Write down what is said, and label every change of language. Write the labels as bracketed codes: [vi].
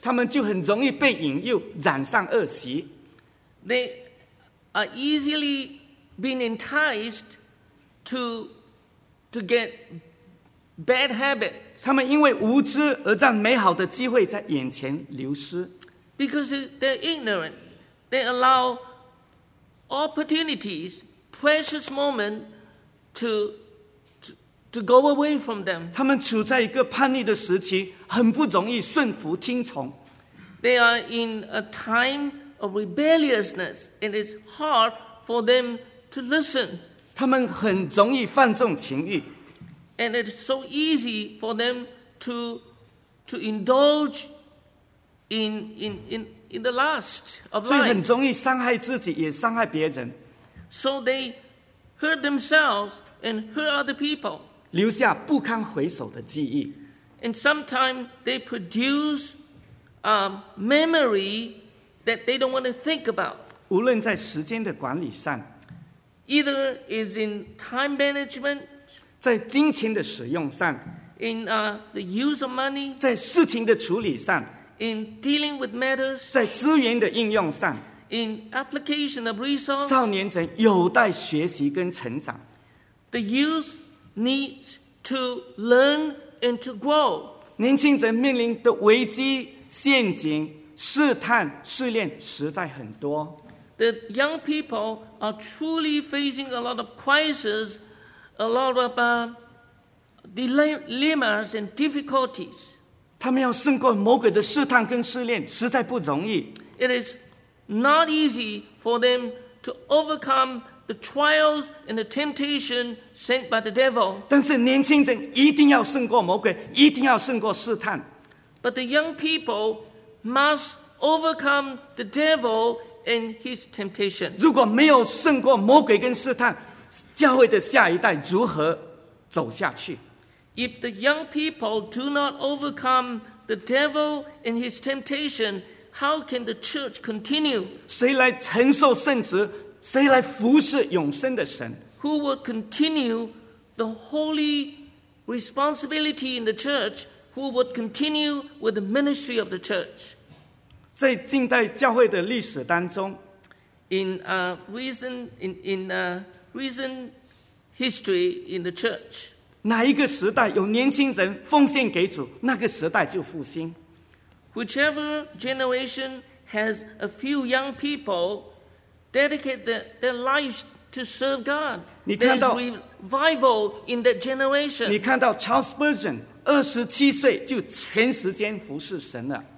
[zh] 他们就很容易被引诱，染上恶习。 [en] They are easily being enticed to get bad habits. [zh] 他们因为无知而让美好的机会在眼前流失。 [en] Because they're ignorant, they allow opportunities, precious moments, to go away from them. [zh] 他们处在一个叛逆的时期，很不容易顺服听从。 [en] They are in a time of rebelliousness, and it's hard for them to listen. [zh] 他们很容易放纵情欲。 [en] And it's so easy for them to indulge in the lust of life. [zh] 所以很容易伤害自己，也伤害别人。 [en] So they hurt themselves and hurt other people. [zh] 留下不堪回首的记忆。 [en] And sometimes they produce a memory that they don't want to think about. [zh] 无论在时间的管理上， [en] either is in time management. [zh] 在金钱的使用上， [en] in the use of money， [zh] 在事情的处理上， [en] in dealing with matters， [zh] 在资源的应用上， [en] in application of resources， [zh] 少年人有待学习跟成长。 [en] The youth needs to learn and to grow。 [zh] 年轻人面临的危机、陷阱、试探、试炼实在很多。 [en] The young people are truly facing a lot of crisisA lot of dilemmas and difficulties. [zh] 他们要胜过魔鬼的试探跟试炼，实在不容易。 [en] It is not easy for them to overcome the trials and the temptation sent by the devil. [zh] 但是年轻人一定要胜过魔鬼，一定要胜过试探。 [en] But the young people must overcome the devil and his temptation. [zh] 如果没有胜过魔鬼跟试探，教会的下一代如何走下去？ [en] If the young people do not overcome the devil and his temptation, how can the church continue? [zh] 谁来承受圣职？谁来服侍永生的神？ [en] Who will continue the holy responsibility in the church? Who would continue with the ministry of the church? [zh] 在近代教会的历史当中， [en] Recent history in the church. [zh] 哪一个时代有年轻人奉献给主，那个时代就复兴。 [en] Whichever generation has a few young people dedicate their lives to serve God, there's revival in that generation. [zh] 你看到 Charles Spurgeon 27岁就全时间服侍神了。